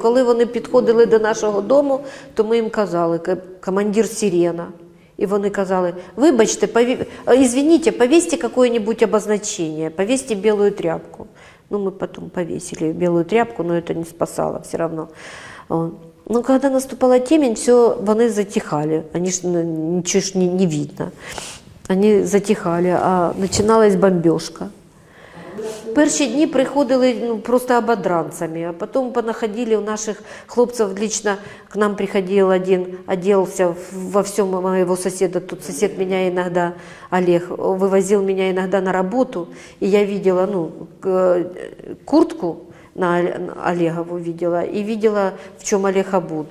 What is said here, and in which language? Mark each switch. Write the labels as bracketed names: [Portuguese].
[Ukrainian] Коли вони підходили до нашого дому, то ми їм казали, командир сирена. [Russian] И [Ukrainian] вони казали: вибачте, [Russian] извините, повесьте какое-нибудь обозначение, повесьте белую тряпку. Ну, мы потом повесили белую тряпку, но это не спасало все равно. Но когда наступала темень, все, [Ukrainian] вони затихали, [Russian] они ж, ничего ж не видно. Они затихали, а начиналась бомбежка. [Ukrainian] Перші дні приходили просто ободранцями, а потім понаходили у наших хлопців, [Russian] лично к нам [Ukrainian] приходив один, [Russian] оделся [Ukrainian] во всьому моєго сусіда, тут сусід мене іноді, Олег, вивозив мене іноді на роботу, і я бачила, ну, куртку на Олегову бачила, і бачила, в чому Олег обут.